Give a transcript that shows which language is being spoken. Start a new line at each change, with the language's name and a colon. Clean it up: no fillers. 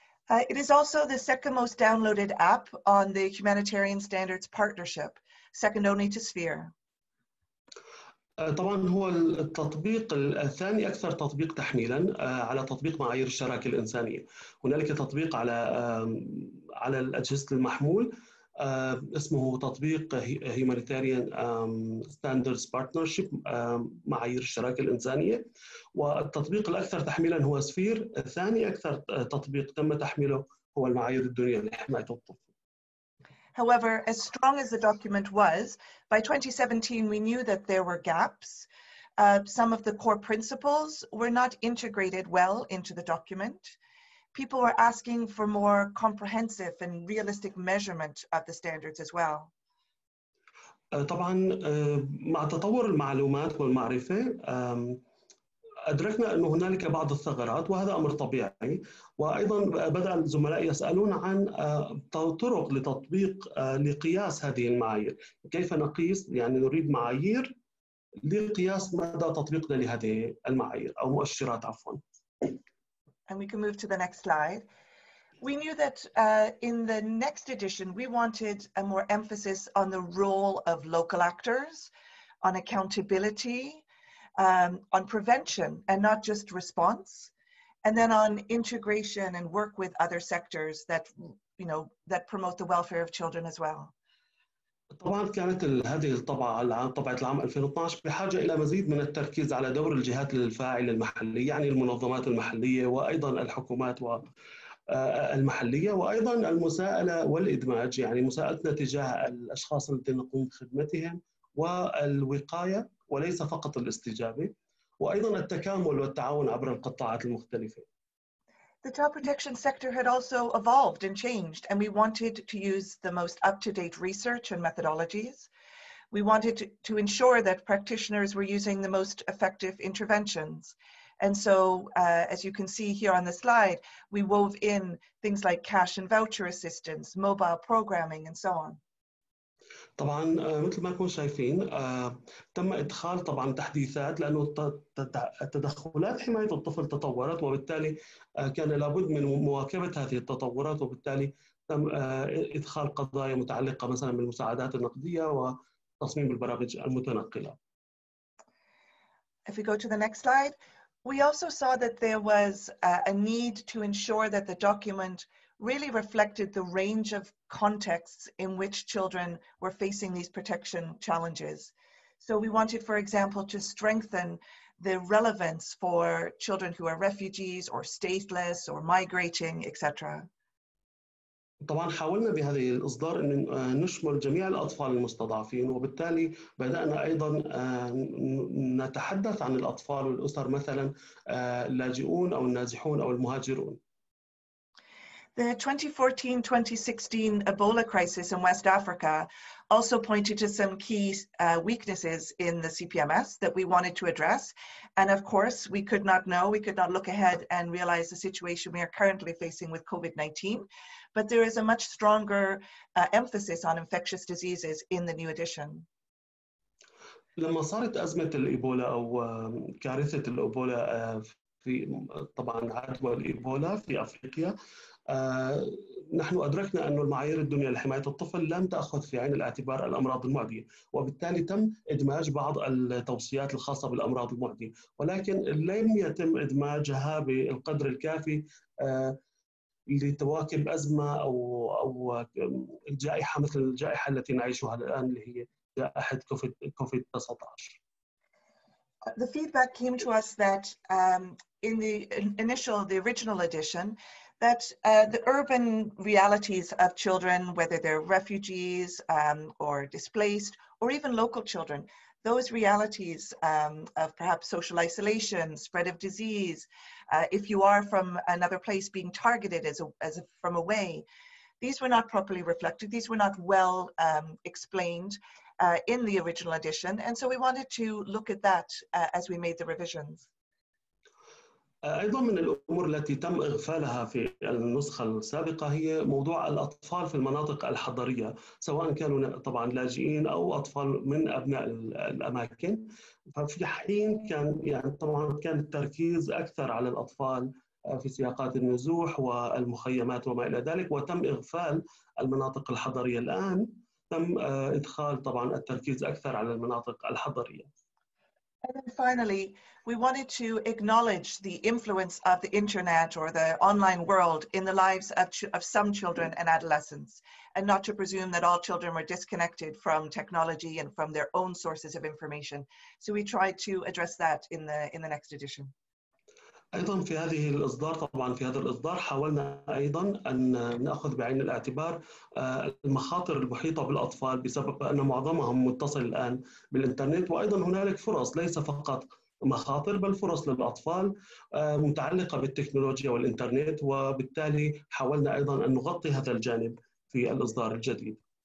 English: It is also the second most downloaded app on the Humanitarian Standards Partnership, second only to Sphere.
Arabic: طبعا هو التطبيق الثاني أكثر تطبيق تحميلا على تطبيق معايير الشراكة الإنسانية. هنالك تطبيق على الأجهزة المحمول اسمه تطبيق Humanitarian Standards Partnership، معايير الشراكة الإنسانية. والتطبيق الأكثر تحميلا هو سفير، الثاني أكثر تطبيق تم تحميله هو المعايير الدولية لحماية الطفل.
English: However, as strong as the document was, by 2017, we knew that there were gaps. Some of the core principles were not integrated well into the document. People were asking for more comprehensive and realistic measurement of the standards as well.
Arabic: طبعاً مع تطور المعلومات والمعرفة أدركنا أنه هنالك بعض الثغرات وهذا أمر طبيعي، وأيضا بدأ الزملاء يسألون عن طرق لتطبيق لقياس هذه المعايير، كيف نقيس، يعني نريد معايير لقياس مدى تطبيقنا لهذه المعايير أو مؤشرات عفوا.
English: And we can move to the next slide. We knew that in the next edition we wanted a more emphasis on the role of local actors, on accountability, on prevention and not just response, and then on integration and work with other sectors that, you know, that promote the welfare of children as well.
Arabic: طبعا كانت هذه طبعه العام 2012 بحاجه الى مزيد من التركيز على دور الجهات الفاعله المحليه، يعني المنظمات المحليه وايضا الحكومات المحليه، وايضا المساءله والادماج، يعني مساءلتنا تجاه الاشخاص الذين نقوم بخدمتهم والوقايه وليس فقط الاستجابة، وأيضاً التكامل والتعاون عبر القطاعات المختلفة.
English: The child protection sector had also evolved and changed, and we wanted to use the most up-to-date research and methodologies. We wanted to ensure that practitioners were using the most effective interventions. And so, as you can see here on the slide, we wove in things like cash and voucher assistance, mobile programming, and so on.
Arabic: طبعا مثل ما كنتم شايفين تم ادخال طبعا تحديثات لانه تدخلات حمايه الطفل تطورت، وبالتالي كان لابد من مواكبه هذه التطورات، وبالتالي تم ادخال قضايا متعلقه مثلا بالمساعدات النقديه وتصميم البرامج المتنقله.
English: If we go to the next slide, we also saw that there was a need to ensure that the document really reflected the range of contexts in which children were facing these protection challenges. So we wanted, for example, to strengthen the relevance for children who are refugees or stateless or migrating, etc.
Arabic: طبعا حاولنا بهذه الإصدار أن نشمل جميع الأطفال المستضعفين، وبالتالي بدأنا أيضا نتحدث عن الأطفال والأسر مثلا اللاجئون أو النازحون أو المهاجرون.
English: The 2014-2016 Ebola crisis in West Africa also pointed to some key weaknesses in the CPMS that we wanted to address. And of course, we could not know, we could not look ahead and realize the situation we are currently facing with COVID-19. But there is a much stronger emphasis on infectious diseases in the new edition.
Arabic: لما صارت أزمة الإيبولا أو كارثة الإيبولا في طبعا عدوى الإيبولا في أفريقيا نحن أدركنا أن المعايير الدنيا لحماية الطفل لم تأخذ في عين الاعتبار الأمراض المعدية، وبالتالي تم إدماج بعض التوصيات الخاصة بالأمراض المعدية، ولكن لم يتم إدماجها بالقدر الكافي لتواكب أزمة أو الجائحة مثل الجائحة التي نعيشها الآن اللي هي جائحة كوفيد 19.
English: The feedback came to us that in the initial, the original edition, that the urban realities of children, whether they're refugees or displaced, or even local children, those realities of perhaps social isolation, spread of disease, if you are from another place being targeted from away, these were not properly reflected. These were not well explained in the original edition. And so we wanted to look at that as we made the revisions.
Arabic: أيضا من الأمور التي تم إغفالها في النسخة السابقة هي موضوع الأطفال في المناطق الحضرية، سواء كانوا طبعا لاجئين أو أطفال من أبناء الأماكن، ففي حين كان يعني طبعا كان التركيز أكثر على الأطفال في سياقات النزوح والمخيمات وما إلى ذلك، وتم إغفال المناطق الحضرية. الآن تم إدخال طبعا التركيز أكثر على المناطق الحضرية.
English: And then finally, we wanted to acknowledge the influence of the internet or the online world in the lives of some children and adolescents, and not to presume that all children were disconnected from technology and from their own sources of information. So we tried to address that in the next edition.
Arabic: ايضا في هذه الاصدار طبعا في هذا الاصدار حاولنا ايضا ان ناخذ بعين الاعتبار المخاطر المحيطه بالاطفال بسبب ان معظمهم متصل الان بالانترنت وايضا هنالك فرص ليس فقط مخاطر بل فرص للاطفال متعلقه بالتكنولوجيا والانترنت وبالتالي حاولنا ايضا ان نغطي هذا الجانب في الاصدار الجديد.